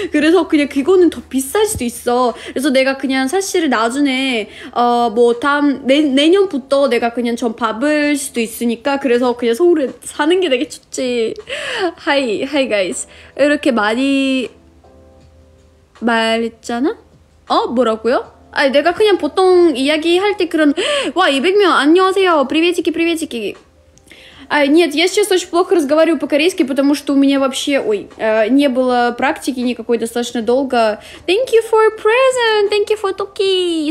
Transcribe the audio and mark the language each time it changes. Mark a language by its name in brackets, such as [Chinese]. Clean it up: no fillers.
[Korean] 그래서 그냥 그거는 더 비쌀 수도 있어. 그래서 내가 그냥 사실 나중에, 내년부터 내가 그냥 좀 밥을 수도 있으니까, 그래서 그냥 서울에 사는 게 되게 좋지. [English] Hi, hi guys. [Korean] 이렇게 많이 말했잖아? 어? 뭐라고요? 아니, 내가 그냥 보통 이야기할 때 그런, 와, 200명, 안녕하세요. [Russian] 프리베지키, 프리베지키. 아, нет, я сейчас очень плохо разговариваю по-корейски, потому что у меня вообще, ой, не было практики никакой достаточно долго. [English] Thank you for present, thank you for talking.